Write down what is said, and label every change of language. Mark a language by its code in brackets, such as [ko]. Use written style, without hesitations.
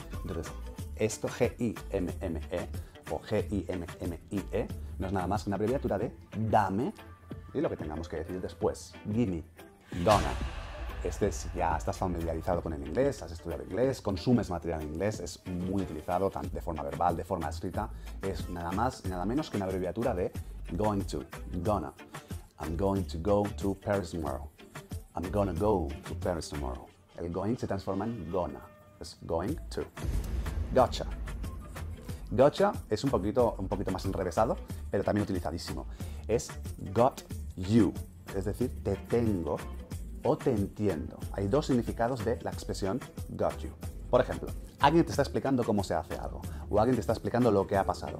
[es] Entonces, esto G-I-M-M-E o G-I-M-M-I-E no es nada más que una abreviatura de dame y lo que tengamos que decir después. Gimme. Donna. Este, si ya estás familiarizado con el inglés, has estudiado inglés, consumes material en inglés, es muy utilizado de forma verbal, de forma escrita, es nada más y nada menos que una abreviatura de going to, gonna. [en] I'm going to go to Paris tomorrow. I'm gonna go to Paris tomorrow. [es] El going se transforma en gonna. Es going to. Gotcha. Gotcha es un poquito más enrevesado, pero también utilizadísimo. Es got you. Es decir, te tengo o te entiendo. Hay dos significados de la expresión got you. Por ejemplo, alguien te está explicando cómo se hace algo o alguien te está explicando lo que ha pasado.